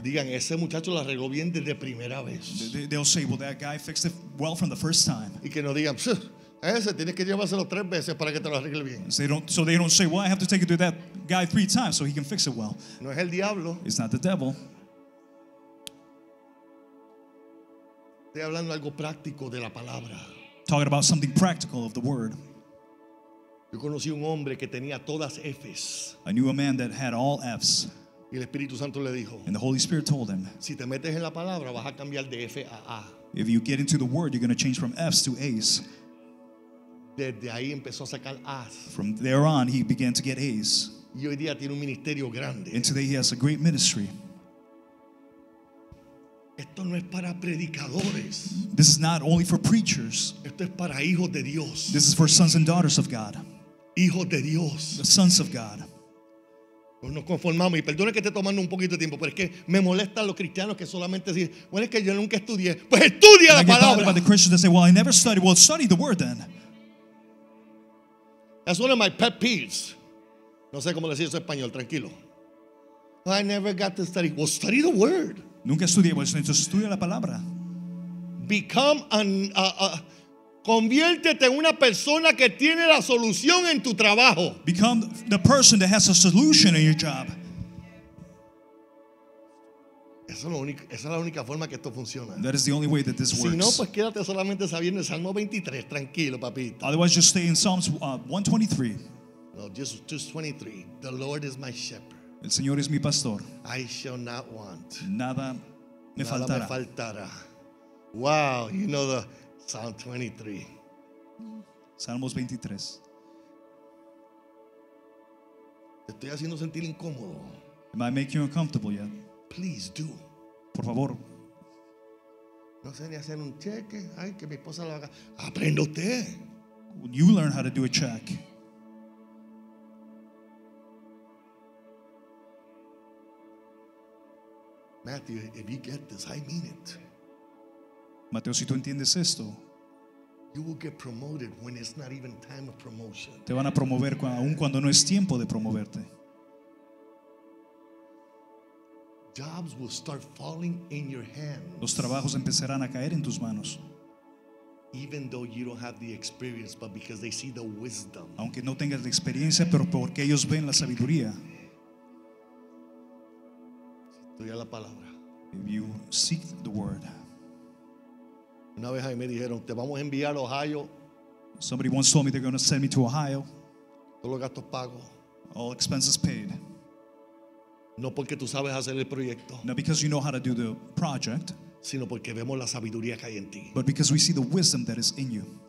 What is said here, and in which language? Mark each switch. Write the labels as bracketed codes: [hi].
[es] Digan, ese muchacho lo arregló bien desde primera vez. [en] They'll say, well, that guy fixed it well from the first time. [es] Y que no digan, ese tienes que llevárselo tres veces para que te lo arregle bien. [en] So they don't say, well, I have to take it to that guy three times so he can fix it well. [es] No es el diablo. [en] It's not the devil. [es] Estoy hablando algo práctico de la palabra. [en] Talking about something practical of the word. [es] Yo conocí un hombre que tenía todas F's. [en] I knew a man that had all F's. [es] Y el Espíritu Santo le dijo. [en] And the Holy Spirit told him. [es] Si te metes en la palabra, vas a cambiar de F a A. [en] If you get into the word, you're going to change from F's to A's. [es] Desde ahí empezó a sacar A's. [en] From there on, he began to get A's. [es] Y hoy día tiene un ministerio grande. [en] And today he has a great ministry. [es] Esto no es para predicadores. [en] This is not only for preachers. [es] Esto es para hijos de Dios. [en] This is for sons and daughters of God. [es] Hijos de Dios. [en] The sons of God. [es] Pues nos conformamos y perdone que esté tomando un poquito de tiempo, pero es que me molestan los cristianos que solamente dicen, bueno, es que yo nunca estudié. Pues estudia la palabra. [en] I get bothered by the Christians that say, well, I never studied. Well, study the word then. That's one of my pet peeves. [es] No sé cómo decir eso en español, tranquilo. [en] I never got to study. Well, study the word. [es] Nunca estudié, pues entonces estudia la palabra. [en] Become an [es] conviértete en una persona que tiene la solución en tu trabajo. [en] Become the person that has a solution in your job. [es] Esa es la única forma que esto funciona. [en] That is the only way that this works. [es] Si no, pues quédate solamente sabiendo el Salmo 23, tranquilo, papito. [en] Otherwise, just stay in Psalms 123. No, just 23. The Lord is my shepherd. [es] El Señor es mi pastor. [en] I shall not want. [es] Nada me faltará. Nada me faltará. [en] Wow, you know the Psalm 23. [es] Salmos 23. Te estoy haciendo sentir incómodo. [en] Am I making you uncomfortable yet? Please do. [es] Por favor. No sé ni hacer un cheque. Ay, que mi esposa lo haga. Aprende usted. [en] You learn how to do a check. Matthew, if you get this, I mean it. [es] Mateo, si tú entiendes esto. [en] You will get promoted when it's not even time of promotion. [es] Te van a promover aun cuando no es tiempo de promoverte. [en] Jobs will start falling in your hands. [es] Los trabajos empezarán a caer en tus manos. [en] Even though you don't have the experience, but because they see the wisdom. [es] Aunque no tengas la experiencia, pero porque ellos ven la sabiduría. Estudia la palabra. [en] If you seek the word. [es] Una vez ahí me dijeron, te vamos a enviar a Ohio. [en] Somebody once told me they're going to send me to Ohio. [es] Todos los gastos pagos. [en] All expenses paid. [es] No porque tú sabes hacer el proyecto. [en] Not because you know how to do the project. [es] sino porque vemos la sabiduría que hay en ti. [en] But because we see the wisdom that is in you.